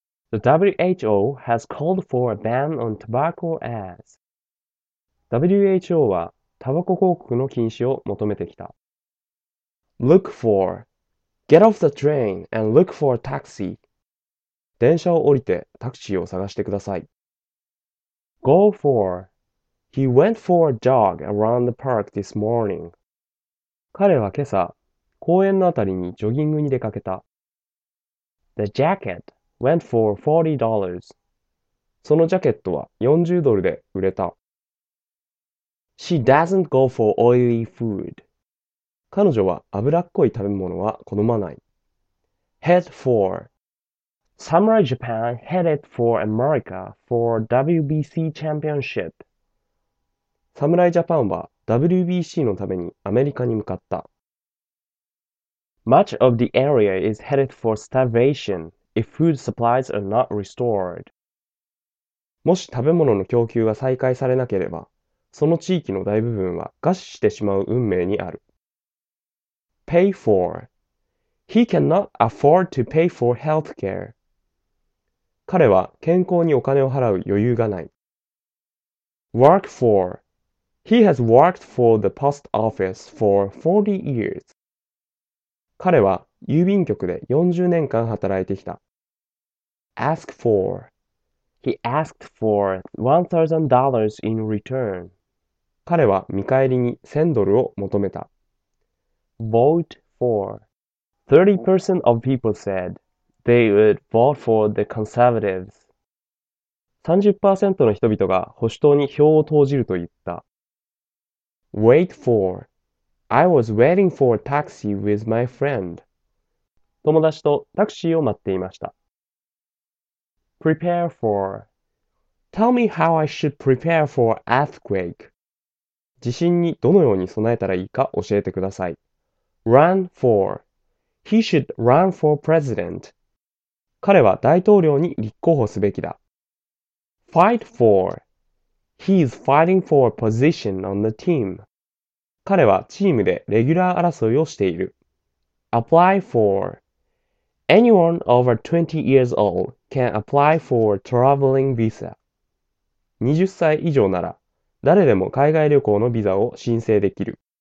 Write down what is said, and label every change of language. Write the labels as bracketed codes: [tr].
[en] The WHO has called for a ban on tobacco as. [ja] WHO はタバコ広告の禁止を求めてきた。 [en] Look for. Get off the train and look for a taxi. [ja] 電車を降りてタクシーを探してください。 [en] Go for. He went for a jog around the park this morning. [ja] 彼は今朝、公園のあたりにジョギングに出かけた。 [en] The jacket went for $40. [ja] そのジャケットは40ドルで売れた。 [en] She doesn't go for oily food. [ja] 彼女は油っこい食べ物は好まない。 [en] Head for. Samurai Japan headed for America for WBC championship. [ja] Samurai Japan は WBC のためにアメリカに向かった。 [en] Much of the area is headed for starvation if food supplies are not restored. [ja] もし食べ物の供給が再開されなければ、その地域の大部分は餓死してしまう運命にある。 [en] Pay for. He cannot afford to pay for health care. [ja] 彼は健康にお金を払う余裕がない。 [en] Work for. He has worked for the post office for 40 years. [ja] 彼は郵便局で40年間働いてきた。 [en] Ask for. He asked for $1,000 in return. [ja] 彼は見返りに1000ドルを求めた。 [en] Vote for. 30% of people said they would vote for the conservatives. [ja] 30% の人々が保守党に票を投じると言った。 [en] Wait for. I was waiting for a taxi with my friend. [ja] 友達とタクシーを待っていました。 [en] Prepare for. Tell me how I should prepare for earthquake. [ja] 地震にどのように備えたらいいか教えてください。 [en] Run for. He should run for president. [ja] 彼は大統領に立候補すべきだ。 [en] Fight for. He is fighting for a position on the team. [ja] 彼はチームでレギュラー争いをしている。 [en] Apply for. Anyone over 20 years old can apply for traveling visa. [ja] 20歳以上なら誰でも海外旅行のビザを申請できる。